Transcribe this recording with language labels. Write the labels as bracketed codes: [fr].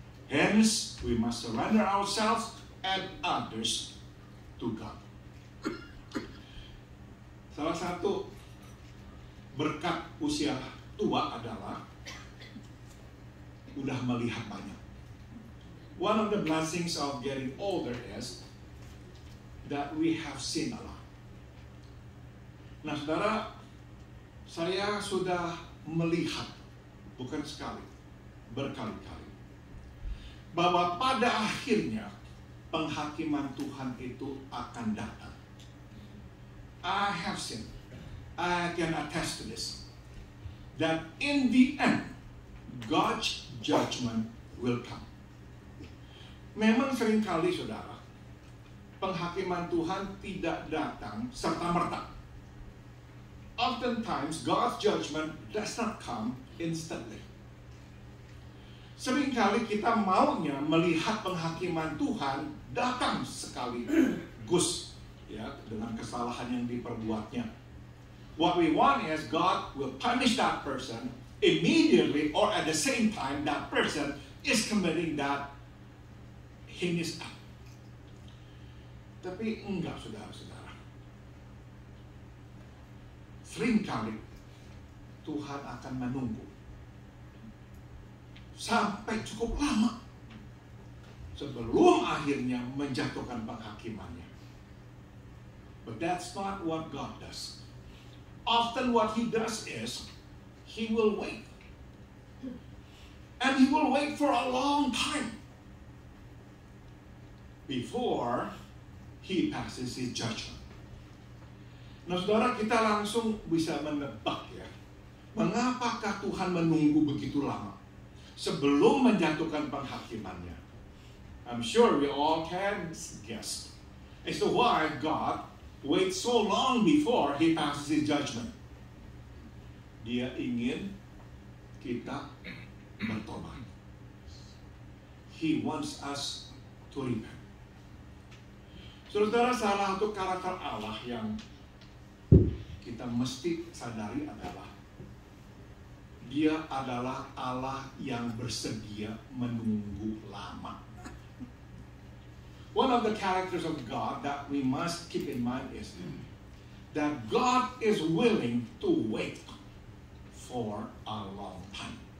[en] Hence, we must surrender ourselves and others to God. [id] Salah satu berkat usia tua adalah udah melihat banyak. [en] One of the blessings of getting older is that we have seen a lot. [id] Nah, saudara, saya sudah melihat, bukan sekali, berkali-kali, bahwa pada akhirnya penghakiman Tuhan itu akan datang. [en] I have seen, I can attest to this, that in the end, God's judgment will come. [id] Memang seringkali, saudara, penghakiman Tuhan tidak datang serta-merta. [en] Oftentimes, God's judgment does not come instantly. [id] Seringkali kita maunya melihat penghakiman Tuhan datang sekaligus, ya, dengan kesalahan yang diperbuatnya. [en] What we want is God will punish that person immediately or at the same time that person is committing that heinous act. [id] Tapi enggak, saudara-saudara. Seringkali Tuhan akan menunggu sampai cukup lama sebelum akhirnya menjatuhkan penghakimannya. [en] But that's not what God does. Often what He does is He will wait. And He will wait for a long time before He passes His judgment. [id] Nah, saudara, kita langsung bisa menebak ya, mengapakah Tuhan menunggu begitu lama sebelum menjatuhkan penghakimannya. [en] I'm sure we all can guess as to why God waits so long before He passes His judgment. [id] Dia ingin kita bertobat. [en] He wants us to repent. [id] Saudara, salah satu karakter Allah yang kita mesti sadari adalah Dia adalah Allah yang bersedia menunggu lama. [en] One of the characters of God that we must keep in mind is that God is willing to wait for a long time.